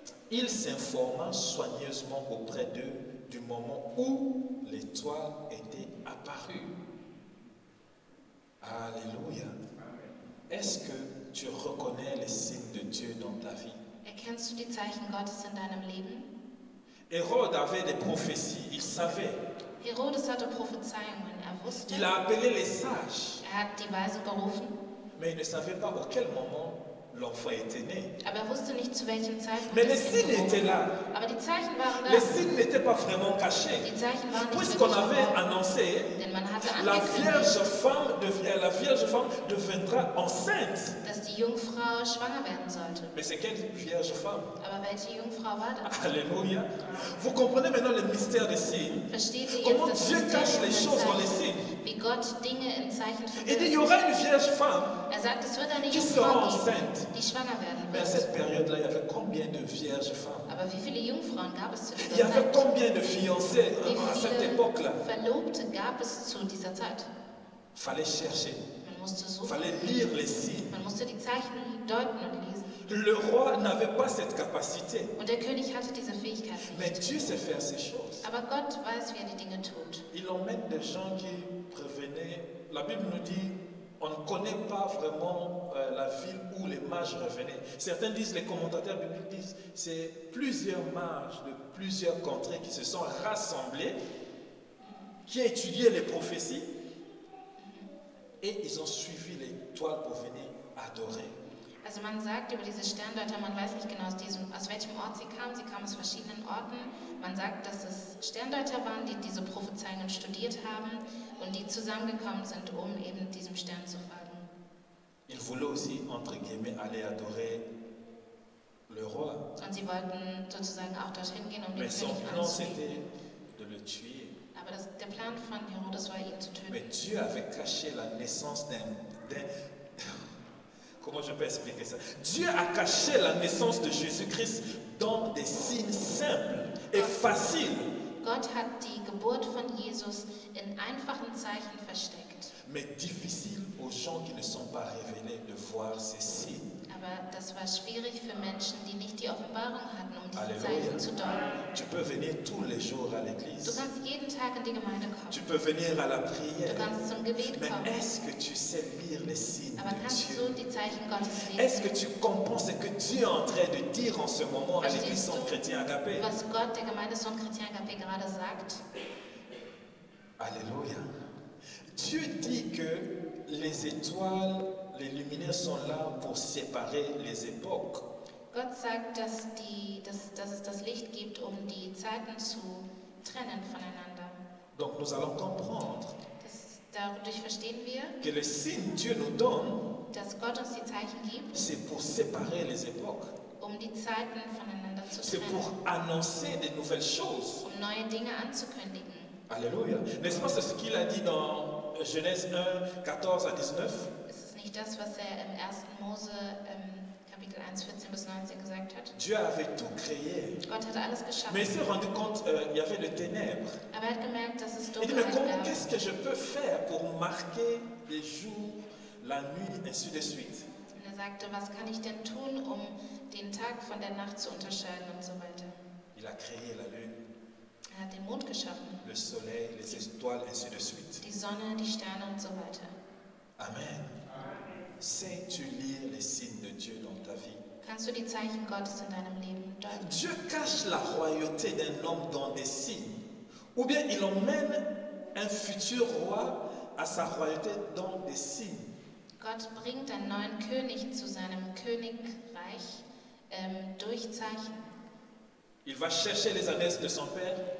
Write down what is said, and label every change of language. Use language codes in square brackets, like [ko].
[fr] Il s'informa soigneusement auprès d'eux du moment où l'étoile était apparue. Alléluia. Est-ce que tu reconnais les signes de Dieu dans ta vie? [de] Erkennst du die Zeichen Gottes in deinem Leben? [fr] Hérode avait des prophéties, il savait. [de] Herodes hatte Prophezeiungen, er wusste. [fr] Il a appelé les sages. [de] Er hat die Weise gerufen. [fr] Mais il ne savait pas à quel moment l'enfant était né. [de] Aber er wusste nicht zu welchem Zeitpunkt. [fr] Mais les signes étaient là. [de] Aber die Zeichen waren da. [fr] Les signes n'étaient pas vraiment cachés. [de] Die Zeichen waren nicht [fr] puisqu'on avait annoncé, la vierge femme devient, la vierge femme deviendra enceinte. [de] Dass die Jungfrau schwanger werden sollte. [fr] Mais c'est quelle vierge femme? [de] Aber welche Jungfrau war das? [fr] Alléluia. Vous comprenez maintenant le mystère des signes? Comment Dieu cache les choses dans les signes? [de] Wie Gott Dinge in Zeichen verbirgt. [fr] Et il y aura une vierge femme. [de] Er sagt, es wird eine [fr] qui sera enceinte. [de] Die schwanger werden wird. [fr] Mais à cette période-là, il y avait combien de vierges femmes? [de] Aber wie viele Jungfrauen gab es zu dieser Zeit? [fr] Il y avait combien de fiancés à cette époque-là? [de] Verlobte gab es zu dieser Zeit? [fr] Fallait chercher. [de] Man musste suchen. [fr] Fallait lire les signes. [de] Man musste die Zeichen deuten und lesen. [fr] Le roi n'avait pas cette capacité. [de] Und der König hatte diese Fähigkeit nicht. [fr] Mais Dieu sait faire ces choses. [de] Aber Gott weiß, wie er die Dinge tut. [fr] Il emmène des gens qui prévenaient. La Bible nous dit. On ne connaît pas vraiment la ville où les mages revenaient. Certains disent, les commentateurs bibliques disent, c'est plusieurs mages de plusieurs contrées qui se sont rassemblés, qui ont étudié les prophéties, et ils ont suivi l'étoile pour venir adorer. [de] Also man sagt über diese Sterndeuter, man weiß nicht genau aus welchem Ort sie kamen aus verschiedenen Orten. Man sagt, dass es Sterndeuter waren, die diese Prophezeiungen studiert haben und die zusammengekommen sind, um eben diesem Stern zu folgen. [fr] Il voulait aussi, entre guillemets, aller adorer le roi. [de] Und sie wollten sozusagen auch dorthin gehen, um [fr] Mais [de] den König [fr] son plan c'était de le tuer. [de] Aber das, der Plan von Herodes war, ihn zu töten. [fr] Mais Dieu avait caché la naissance d'un Comment je peux expliquer ça? Dieu a caché la naissance de Jésus-Christ dans des signes simples et faciles. [de] Gott hat die Geburt von Jesus in einfachen Zeichen versteckt. [fr] Mais difficile aux gens qui ne sont pas révélés de voir ces signes. [de] Aber das war schwierig für Menschen, die nicht die Offenbarung hatten, um diese Zeichen zu deuten. [fr] Tu peux venir tous les jours à l'église. [de] Du kannst jeden Tag in die Gemeinde kommen. [fr] Tu peux venir à la prière. [de] Du kannst zum Gebet [fr] Mais [de] kommen. [fr] Est-ce que tu sais lire les signes [de] Aber kannst [fr] de Dieu? [de] Du die Zeichen Gottes lesen? [fr] Est-ce que tu comprends ce que Dieu est en train de dire en ce moment à l'église Saint Chrétien Agapé? [de] Was Gott der Gemeinde Saint Chrétien Agapé gerade sagt? [fr] Alléluia. Dieu dit que les étoiles Les luminaires sont là pour séparer les époques. [de] Gott sagt, dass dass es das Licht gibt, um die Zeiten zu trennen voneinander. [fr] Donc nous allons comprendre. [de] Dadurch verstehen wir. [fr] Que le signe Dieu nous donne. [de] Dass Gott uns die Zeichen gibt. [fr] C'est pour séparer les époques. [de] Um die Zeiten voneinander zu trennen. [fr] C'est pour annoncer des nouvelles choses. [de] Um neue Dinge anzukündigen. [fr] Alléluia. N'est-ce pas ce qu'il a dit dans Genèse 1, 14 à 19? [de] Das, was er im 1. Mose Kapitel 1, 14 bis 19 gesagt hat. [fr] Dieu avait tout créé. [de] Gott hat alles geschaffen. [fr] Mais il s'est rendu compte, il y avait le ténèbre. [de] Aber er hat gemerkt, dass es dunkel [fr] Il dit, mais comment, qu'est-ce que je peux faire pour marquer les jours, la nuit, ainsi de suite? [de] Und er sagte, was kann ich denn tun, um den Tag von der Nacht zu unterscheiden und so weiter. [fr] Il a créé la lune. [de] Er hat den Mond geschaffen. [fr] Le soleil, les étoiles, ainsi de suite. [de] Die Sonne, die Sterne und so weiter. [fr] Amen. Sais-tu lire les signes de Dieu dans ta vie? [de] Kannst du die Zeichen Gottes in deinem Leben deuten? [fr] Dieu cache la royauté d'un homme dans des signes. Ou bien il emmène un futur roi à sa royauté dans des signes. [de] Gott bringt einen neuen König zu seinem Königreich durch Zeichen. [fr] Il va chercher les adresses de son père.